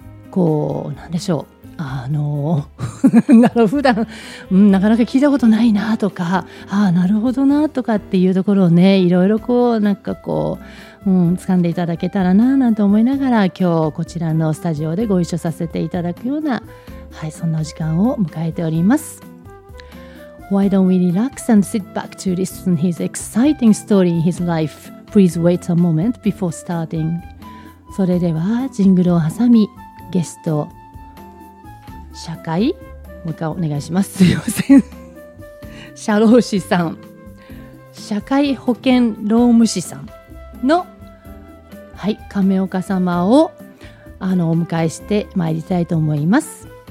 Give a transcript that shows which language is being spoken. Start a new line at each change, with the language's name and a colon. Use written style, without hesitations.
Japanese: こう、なんでしょう、普段、なかなか聞いたことないなとか、ああ、なるほどなとかっていうところをね、いろいろこう、なんかこう、掴んでいただけたらななんて思いながら、今日こちらのスタジオでご一緒させていただくような、はい、そんなお時間を迎えております。
English: Why don't we relax and sit back to listen his exciting story in his life? Please wait a moment before starting.
Japanese: それではジングルを挟みゲスト社会もう一回お願いします。すいません、社労士さん、社会保険労務士さんの、はい、亀岡様をお迎えしてまいりたいと思います。